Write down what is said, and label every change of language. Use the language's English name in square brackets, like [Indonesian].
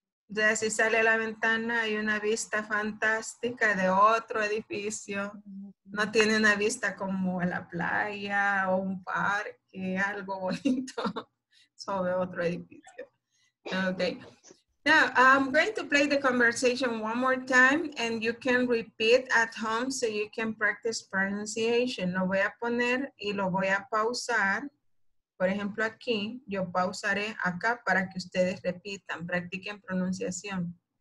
[Spanish] Entonces, si sale la ventana, hay una vista fantástica de otro edificio. No tiene una vista como a la playa o un parque, algo bonito sobre otro edificio. [English] Okay. Now, I'm going to play the conversation one more time and you can repeat at home so you can practice pronunciation. [Spanish] Lo voy a poner y lo voy a pausar. Por ejemplo, aquí, yo pausaré acá para que ustedes repitan, practiquen pronunciación.